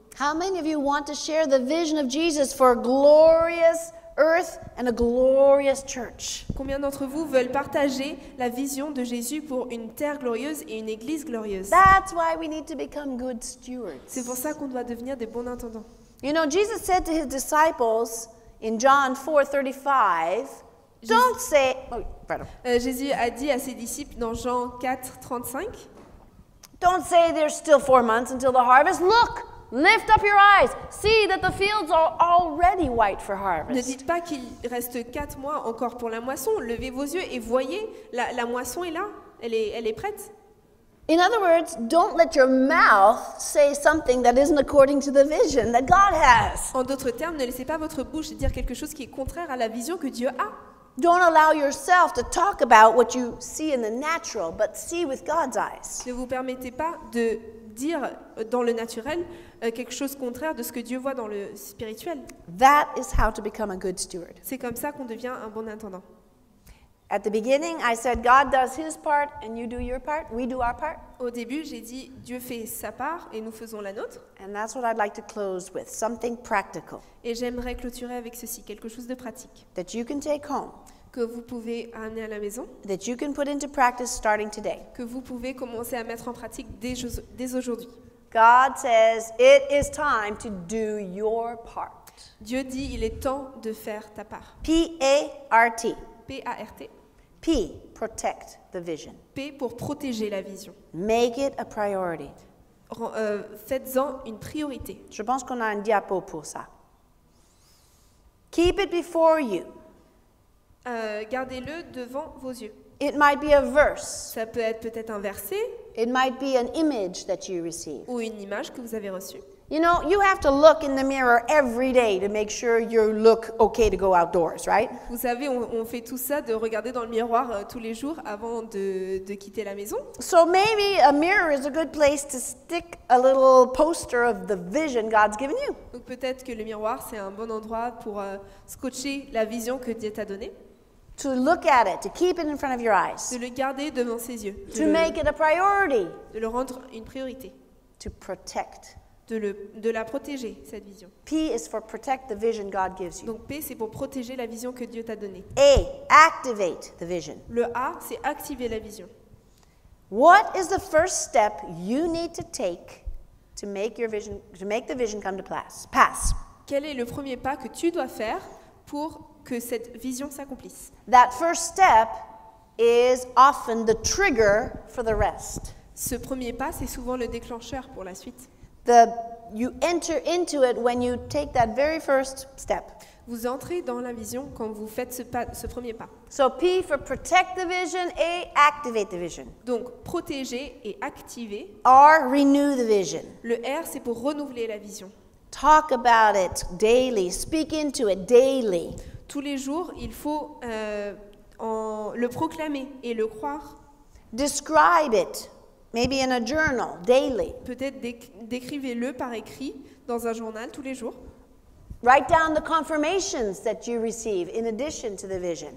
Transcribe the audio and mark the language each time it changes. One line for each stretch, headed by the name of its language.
English: How many of you want to share the vision of Jesus for a glorious earth and a glorious church?
French: Combien d'entre vous veulent partager la vision de Jésus pour une terre glorieuse et une église glorieuse?
English: That's why we need to become good stewards.
French: C'est pour ça qu'on doit devenir des bons intendants.
English: You know, Jesus said to his disciples in John 4:35, don't say, oh, pardon.
French: Jésus a dit à ses disciples dans Jean 4:35,
English: don't say there's still 4 months until the harvest. Look, lift up your eyes. See that the fields are already white for harvest.
French: Ne dites pas qu'il reste 4 mois encore pour la moisson. Levez vos yeux et voyez, la moisson est là. Elle est prête.
English: In other words, don't let your mouth say something that isn't according to the vision that God has.
French: En d'autres termes, ne laissez pas votre bouche dire quelque chose qui est contraire à la vision que Dieu a.
English: Don't allow yourself to talk about what you see in the natural, but see with God's eyes.
French: Ne vous permettez pas de dire dans le naturel quelque chose contraire de ce que Dieu voit dans le spirituel.
English: That is how to become a good steward.
French: C'est comme ça qu'on devient un bon intendant.
English: At the beginning, I said God does his part and you do your part. We do our part.
French: Au début, j'ai dit Dieu fait sa part et nous faisons la nôtre.
English: And that's what I'd like to close with, something practical.
French: Et j'aimerais clôturer avec ceci, quelque chose de pratique.
English: That you can take home.
French: Que vous pouvez amener à la maison.
English: That you can put into practice starting today.
French: Que vous pouvez commencer à mettre en pratique dès aujourd'hui.
English: God says it is time to do your part.
French: Dieu dit il est temps de faire ta part.
English: P-A-R-T.
French: P-A-R-T.
English: P, protect the vision.
French: P pour protéger la vision.
English: Make it a priority.
French: Faites-en une priorité. Je pense qu'on a un diapo pour ça.
English: Keep it before you.
French: Gardez-le devant vos yeux.
English: It might be a verse.
French: Ça peut être peut-être un verset.
English: It might be an image that you receive.
French: Ou une image que vous avez reçue.
English: You know, you have to look in the mirror every day to make sure you look okay to go outdoors, right?
French: Vous savez, on fait tout ça de regarder dans le miroir tous les jours avant de quitter la maison.
English: So maybe a mirror is a good place to stick a little poster of the vision God's given you.
French: Donc peut-être que le miroir c'est un bon endroit pour scotcher la vision que Dieu t'a donnée.
English: To look at it, to keep it in front of your eyes.
French: De le garder devant ses yeux.
English: To make it a priority.
French: De le rendre une priorité.
English: To protect.
French: De la protéger, cette vision.
English: P is for protect the vision God gives you.
French: Donc P, c'est pour protéger la vision que Dieu t'a donnée.
English: A, activate the vision.
French: Le A, c'est activer la vision.
English: What is the first step you need to take to make your vision, to make the vision come to pass?
French: Quel est le premier pas que tu dois faire pour que cette vision s'accomplisse?
English: That first step is often the trigger for the rest.
French: Ce premier pas, c'est souvent le déclencheur pour la suite.
English: You enter into it when you take that very first step.
French: Vous entrez dans la vision quand vous faites ce premier pas.
English: So P for protect the vision, A activate the vision.
French: Donc protéger et activer.
English: R renew the vision.
French: Le R c'est pour renouveler la vision.
English: Talk about it daily, speak into it daily.
French: Tous les jours, il faut le proclamer et le croire.
English: Describe it. Maybe in a journal, daily.
French: Peut-être décrivez-le par écrit dans un journal tous les jours.
English: Write down the confirmations that you receive in addition to the vision.